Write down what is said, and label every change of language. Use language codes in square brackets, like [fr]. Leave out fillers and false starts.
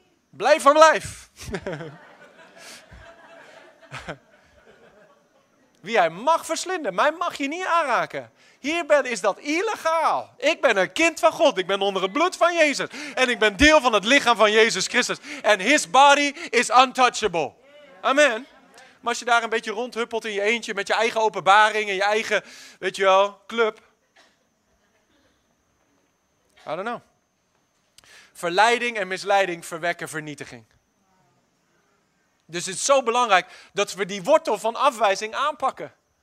[nl] Blijf van lijf. Wie hij mag verslinden, mij mag je niet aanraken. Is dat illegaal. Ik ben een kind van God. Ik ben onder het bloed van Jezus. En ik ben deel van het lichaam van Jezus Christus. [en] En his body is untouchable. [nl] Amen. Maar als je daar een beetje rondhuppelt in je eentje, met je eigen openbaring en je eigen, weet je wel, club. [en] I don't know. [nl] Verleiding en misleiding verwekken vernietiging. Dus het is zo belangrijk dat we die wortel van afwijzing aanpakken.